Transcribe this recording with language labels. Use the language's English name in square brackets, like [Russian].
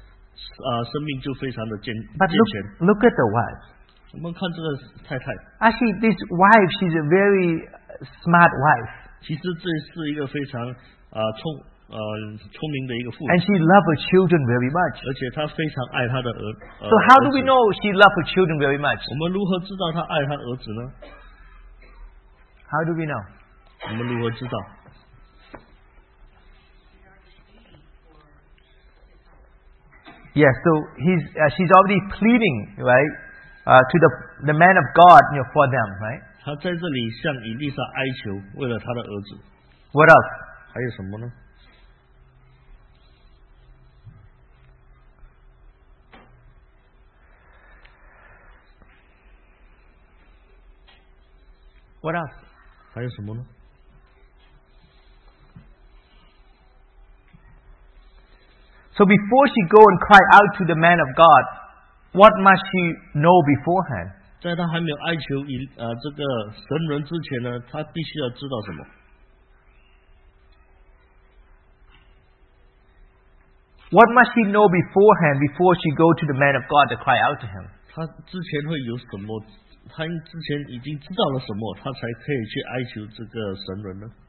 [Chinese] 在这个孩子的生命当中扮演重要的角色，这孩子的生命就非常的健全。 [English] But look at the wife. [Chinese] 我们看这个太太。 [English] Actually, this wife, she's a very smart wife. [Chinese] 其实这是一个非常聪明的一个妇人。 [English] And she loves her children very much. [Chinese] 而且她非常爱她的儿子。 [English] So how do we know she loves her children very much? [Chinese] 我们如何知道她爱她儿子呢？ [English] How do we know? [Chinese] 我们如何知道? [English] Yeah, so she's already pleading, right, to the man of God, you know, for them, right? [Chinese] 她在这里向以利沙哀求，为了她的儿子。 [English] What else? [Chinese] 还有什么呢? [English] What else? [Chinese] 还有什么呢? [English] So before she go and cry out to the man of God, what must she know beforehand? [Chinese] 在她还没有哀求这个神人之前呢，她必须要知道什么？ [English] What must she know beforehand before she go to the man of God to cry out to him? [Chinese] 她之前已经知道了什么，她才可以去哀求这个神人呢？